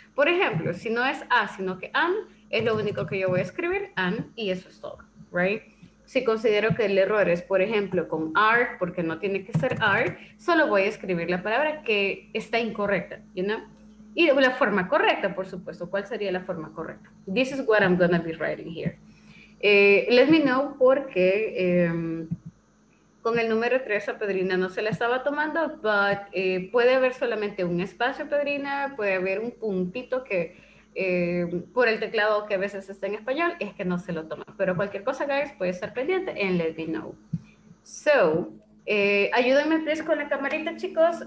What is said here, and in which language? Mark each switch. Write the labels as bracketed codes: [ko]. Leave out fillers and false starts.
[es] Por ejemplo, si no es A, sino que AN, es lo único que yo voy a escribir, AN, y eso es todo, right? Si considero que el error es, por ejemplo, con ARE, porque no tiene que ser ARE, solo voy a escribir la palabra que está incorrecta, you know? Y la forma correcta, por supuesto, ¿cuál sería la forma correcta? [en] This is what I'm gonna be writing here. Let me know porque... [es] con el número 3 a Pedrina no se la estaba tomando, but puede haber solamente un espacio, Pedrina, puede haber un puntito que por el teclado que a veces está en español, es que no se lo toma. Pero cualquier cosa, guys, puede estar pendiente en let me know. So, ayúdenme, please, con la camarita, chicos.